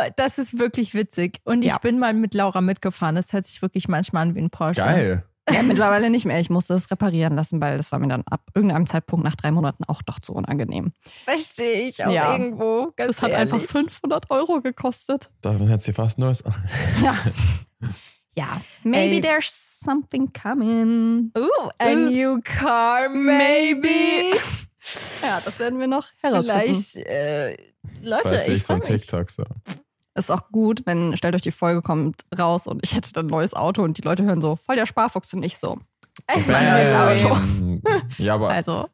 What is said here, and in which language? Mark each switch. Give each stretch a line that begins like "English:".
German: Das ist wirklich witzig. Und ich bin mal mit Laura mitgefahren. Das hört sich wirklich manchmal an wie ein Porsche. Geil. Ja, mittlerweile nicht mehr. Ich musste es reparieren lassen, weil das war mir dann ab irgendeinem Zeitpunkt nach 3 Monaten auch doch zu unangenehm. Verstehe ich auch irgendwo, ganz ehrlich. Das hat einfach 500 Euro gekostet. Davon hätte sie fast neues. Ja. Ja.
English: Maybe there's something coming. Ooh, a new car, maybe.
German: Ja, das werden wir noch herausfinden. Vielleicht, Leute, bald ich freue mich. TikTok so. Ist auch gut, wenn, stellt euch die Folge, kommt raus und ich hätte dann ein neues Auto und die Leute hören so, voll der Sparfuchs und ich so, es ist ein neues Auto. Ja, aber also.